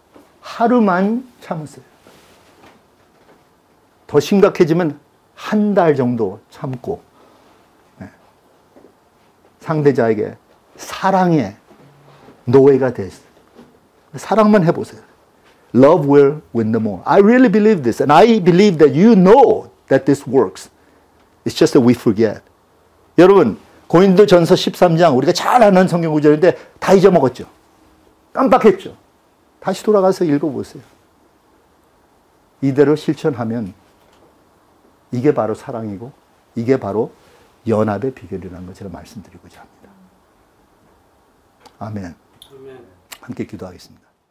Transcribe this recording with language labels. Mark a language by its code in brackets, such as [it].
[ko] 하루만 참으세요. 더 심각해지면 한 달 정도 참고 네. 상대자에게 사랑의 노예가 되세요. 사랑만 해보세요. [en] Love will win the more. I really believe this. And I believe that you know that this works. It's just that we forget. [ko] 여러분, 고린도 전서 13장, 우리가 잘 아는 성경 구절인데 다 잊어먹었죠? 깜빡했죠? 다시 돌아가서 읽어보세요. 이대로 실천하면 이게 바로 사랑이고 이게 바로 연합의 비결이라는 걸 제가 말씀드리고자 합니다. 아멘. 함께 기도하겠습니다.